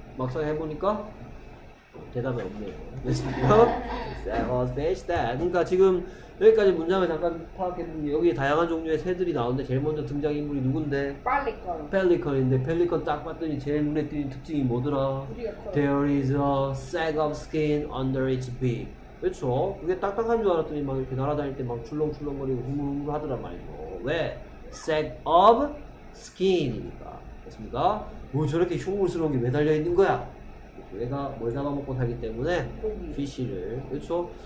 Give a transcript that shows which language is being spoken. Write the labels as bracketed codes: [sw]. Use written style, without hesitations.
[ko] 막상 해보니까 대답이 없네요. 그렇죠. [en] Seven fish. [ko] 그러니까 지금 여기까지 문장을 잠깐 파악했는데 여기에 다양한 종류의 새들이 나오는데 제일 먼저 등장 인물이 누군데? 펠리컨. 펠리컨인데 펠리컨 딱 봤더니 제일 눈에 띄는 특징이 뭐더라? [en] There is a sack of skin under its beak. [ko] 그렇죠? 그게 딱딱한 줄 알았더니 막 이렇게 날아다닐 때 막 출렁출렁거리고 후물후물 하더라 말이죠. 왜? Sack of skin이니까. 됐습니까? 뭐 저렇게 흉물스러운 게 왜 달려 있는 거야? 얘가 뭘 잡아먹고 살기 때문에 피쉬를 그렇죠?